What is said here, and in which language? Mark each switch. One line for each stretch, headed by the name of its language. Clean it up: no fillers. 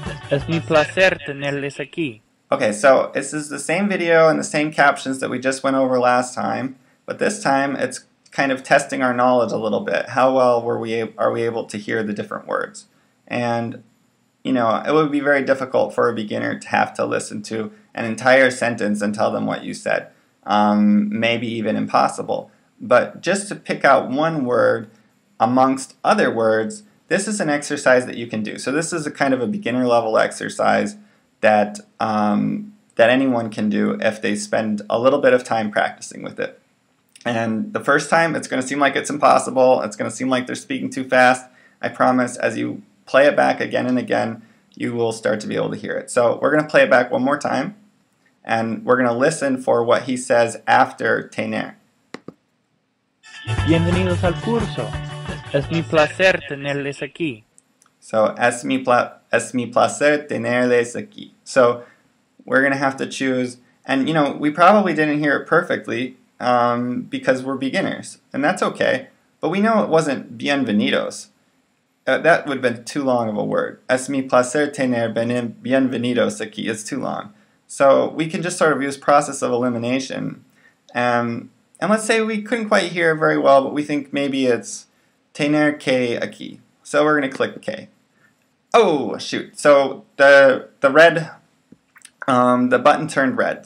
Spanish: Es mi placer tenerles aquí.
English: Okay, so this is the same video and the same captions that we just went over last time, but this time it's kind of testing our knowledge a little bit. How well are we able to hear the different words? And, you know, it would be very difficult for a beginner to have to listen to an entire sentence and tell them what you said. Maybe even impossible. But just to pick out one word amongst other words, this is an exercise that you can do. So this is a kind of a beginner level exercise that that anyone can do if they spend a little bit of time practicing with it. And the first time, it's going to seem like it's impossible. It's going to seem like they're speaking too fast. I promise, as you play it back again and again, you will start to be able to hear it. So we're going to play it back one more time, and we're going to listen for what he says after tener.
Spanish: Bienvenidos al curso. Es mi placer tenerles aquí. So, es mi placer tenerles aquí.
English: So, we're going to have to choose, and you know, we probably didn't hear it perfectly because we're beginners, and that's okay, but we know it wasn't bienvenidos. That would have been too long of a word.
Spanish: Es mi placer tener bienvenidos aquí.
English: It's too long. So, we can just sort of use process of elimination, and let's say we couldn't quite hear it very well, but we think maybe it's
Spanish: tener que aquí.
English: So we're going to click K. Oh, shoot. So the red, the button turned red.